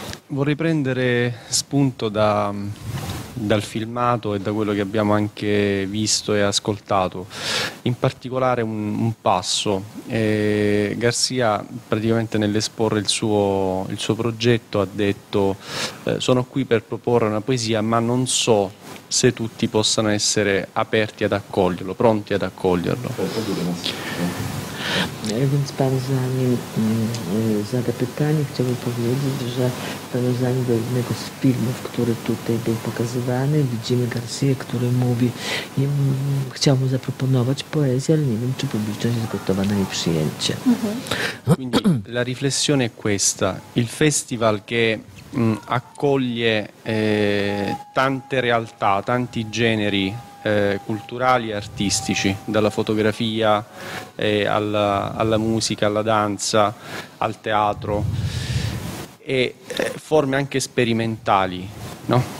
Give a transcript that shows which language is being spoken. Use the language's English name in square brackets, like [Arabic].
[Italian] Vorrei prendere spunto dal filmato e da quello che abbiamo anche visto e ascoltato, in particolare un passo. Garcia, praticamente nell'esporre il suo progetto, ha detto: sono qui per proporre una poesia, ma non so se tutti possano essere aperti ad accoglierlo, pronti ad accoglierlo. [Polish] Więc pan zanim zada pytanie, chciałbym powiedzieć, że pan zanim do jednego z filmów, który tutaj był pokazywany, widzimy Garcia, który mówi, chciał mu zaproponować poezję, ale nie wiem, czy publiczność jest gotowa na jej przyjęcie. Mhm. [Italian] Quindi la riflessione è questa, il festival che accoglie tante realtà, tanti generi, culturali e artistici, dalla fotografia alla musica, alla danza, al teatro e forme anche sperimentali, no?